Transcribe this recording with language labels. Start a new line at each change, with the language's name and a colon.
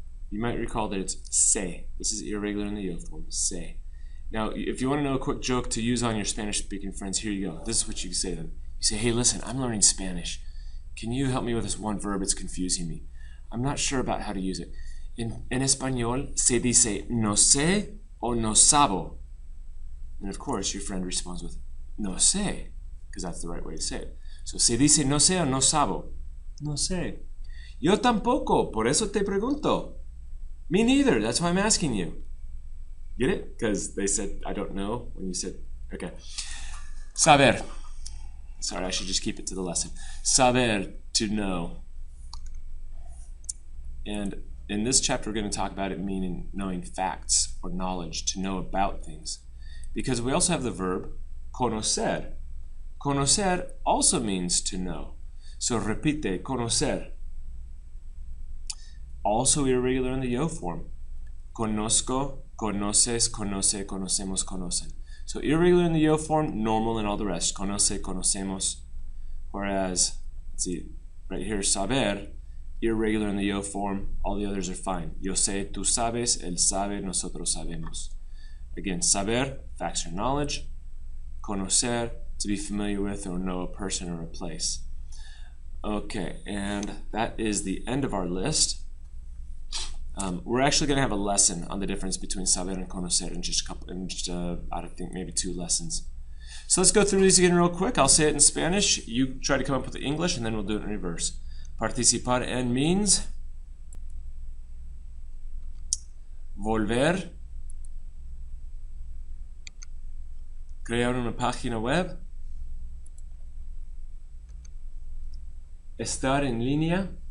English: You might recall that it's say. This is irregular in the yo form, say. Now, if you want to know a quick joke to use on your Spanish-speaking friends, here you go. This is what you say to them. You say, hey, listen, I'm learning Spanish. Can you help me with this one verb? It's confusing me. I'm not sure about how to use it.
Spanish: En español se dice no sé o no sabo.
English: And of course, your friend responds with
Spanish: no sé,
English: because that's the right way to say it.
Spanish: So se dice no sé o no sabo. No sé. Yo tampoco, por eso te pregunto.
English: Me neither, that's why I'm asking you. Get it? Because they said, I don't know when you said, okay. Saber. Sorry, I should just keep it to the lesson. Saber, to know. And in this chapter, we're going to talk about it meaning knowing facts or knowledge, to know about things. Because we also have the verb conocer. Conocer also means to know.
Spanish: So repite, conocer.
English: Also irregular in the yo form.
Spanish: Conozco, conoces, conoce, conocemos, conocen.
English: So irregular in the yo form, normal in all the rest.
Spanish: Conoce, conocemos.
English: Whereas, let's see, right here, saber, irregular in the yo form, all the others are fine.
Spanish: Yo sé, tú sabes, él sabe, nosotros sabemos.
English: Again, saber, facts or knowledge. Conocer, to be familiar with or know a person or a place. Okay, and that is the end of our list. We're actually going to have a lesson on the difference between saber and conocer in just a couple, in just I think maybe two lessons. So let's go through these again real quick. I'll say it in Spanish. You try to come up with the English, and then we'll do it in reverse.
Spanish: Participar en
English: means
Spanish: volver, crear una página web, estar en línea.